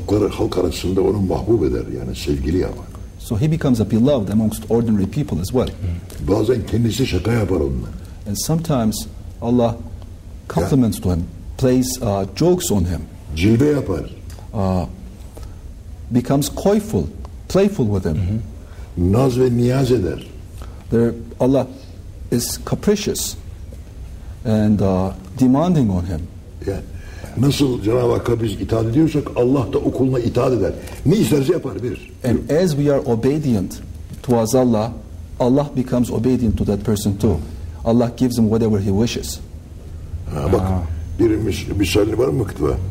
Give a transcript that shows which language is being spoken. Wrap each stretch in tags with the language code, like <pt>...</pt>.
<tr>halk arasında onu mahbub eder yani sevgili yapar.</tr> <en>So he becomes a beloved amongst ordinary people as well.</en> <tr>Hmm. Bazen kendisi şaka yapar onunla.</tr> <en>And sometimes Allah compliments to him, plays jokes on him.</en> <tr>Cilve yapar.</tr> <en>Becomes coyful, playful with him.</en> <tr>Mm-hmm. Naz ve niyaz eder.</tr> <en>There, Allah is capricious and demanding on him.</en> <tr>Yani, nasıl Cenab-ı Hakk'a biz itaat ediyorsak Allah da o kuluna itaat eder. Ne isterse yapar bir.</tr> <en>And as we are obedient towards Allah, Allah becomes obedient to that person too. Allah gives him whatever he wishes.</en> <tr>Ha, bak, birimiz bir sani var mı kitaba?</tr>